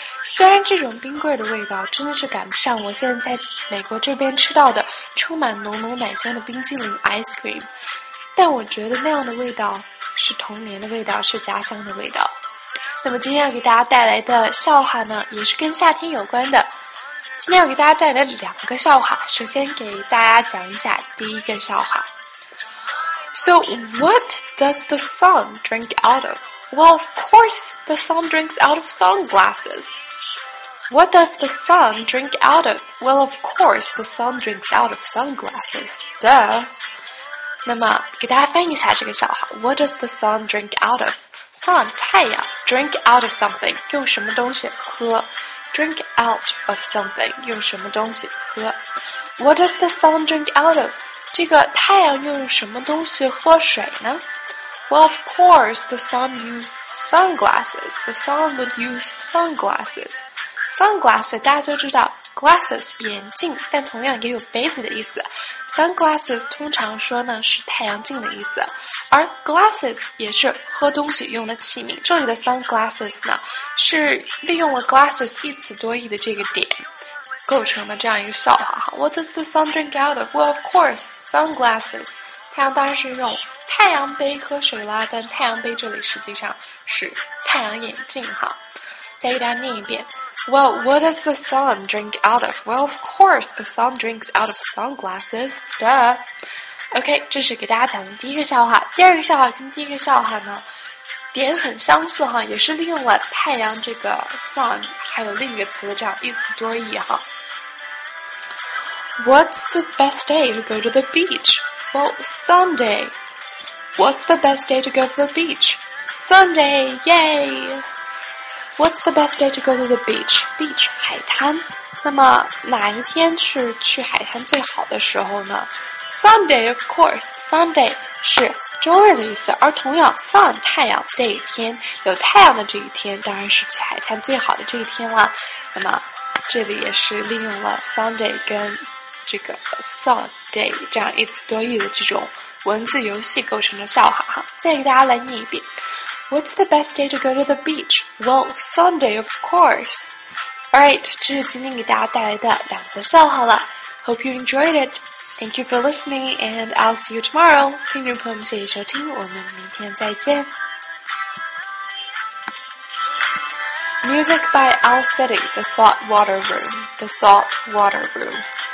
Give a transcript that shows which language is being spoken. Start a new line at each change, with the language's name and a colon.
Chinese: 虽然这种冰棍的味道真的是赶不上我现在在美国这边吃到的充满浓浓奶香的冰激凌
English: ice cream，
Chinese: 但我觉得那样的味道是童年的味道，是家乡的味道。那么今天要给大家带来的笑话呢，也是跟夏天有关的。今天要给大家带来两个笑话，首先给大家讲一下第一个笑话。
English: So what does the sun drink out of? Well, of course, the sun drinks out of sunglasses. What does the sun drink out of? Well, of course, the sun drinks out of sunglasses. Duh.
Chinese: 那么给大家翻译一下这个笑话。
English: What does the sun drink out of? Sun,
Chinese: 太阳
English: drink out of something,
Chinese: 用什么东西喝。
English: Drink out of something,
Chinese: 用什么东西喝。
English: What does the sun drink out of?
Chinese: 这个太阳用什么东西喝水呢？
English: Well, of course, the sun uses sunglasses. The sun would use sunglasses. Sunglasses,
Chinese: 大家都知道 glasses, 眼镜，但同样也有杯子的意思。 Sunglasses 通常说呢是太阳镜的意思，而 glasses 也是喝东西用的器皿。这里的 sunglasses 呢是利用了 glasses 一词多义的这个点构成的这样一个笑话。
English: What does the sun drink out of? Well, of course, sunglasses.
Chinese: 太阳当然是用太阳杯喝水啦，但太阳杯这里实际上是太阳眼镜哈。再给大家念一遍。
English: Well, what does the sun drink out of? Well, of course, the sun drinks out of sunglasses. Duh.
Chinese: OK, 这是给大家讲的第一个笑话。第二个笑话跟第一个笑话呢点很相似哈，也是利用了太阳这个 sun 还有另一个词的这样一词多义哈。
English: What's the best day to go to the beach? Well, Sunday. What's the best day to go to the beach? Sunday, yay! What's the best day to go to the beach? Beach,
Chinese: 海滩。那么哪一天是去海滩最好的时候呢？
English: Sunday, of course.
Chinese: Sunday 是周日的意思，而同样 sun 太阳 day 天有太阳的这一天，当然是去海滩最好的这一天啦。那么这里也是利用了 Sunday 跟这个 sun day 这样一词多义的这种文字游戏构成的笑话哈。再给大家来念一遍 ：
English: What's the best day to go to the beach? Well, Sunday, of course. All right,
Chinese: 这是今天给大家带来的两则笑话了。
English: Hope you enjoyed it. Thank you for listening, and I'll see you tomorrow.
Chinese: 听众朋友们，谢谢收听，我们明天再见。
English: Music by Al City, The Salt Water Room, The Salt Water Room.